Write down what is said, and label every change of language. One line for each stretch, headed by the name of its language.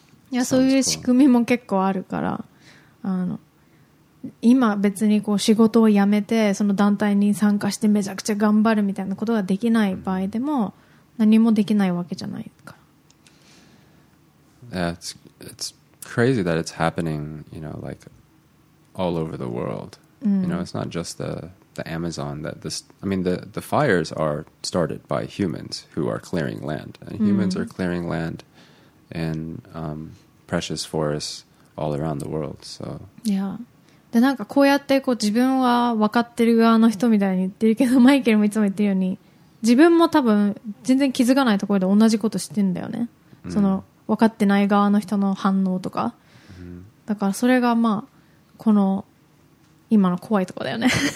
Japanese: いや、そういう仕組みも結構あるから、あの今別にこう仕事を辞めてその団体に参加してめちゃくちゃ頑張るみたいなことができない場合でも、何もできないわけじゃないから。
English: It's crazy that it's happening, you know, like all over the world. You know, it's not just the Amazon that this, I mean the fires are started by humans who are clearing land, and humans are clearing landand precious forests all around the world. So yeah.
Japanese: でなんかこうやってこう自分は分かってる側の人みたいに言ってるけど、マイケルもいつも言ってるように自分も多分全然気づかないところで同じことしてんだよね。その分かってない側の人の反応とか。だからそれがまあこの今の怖いところだよね。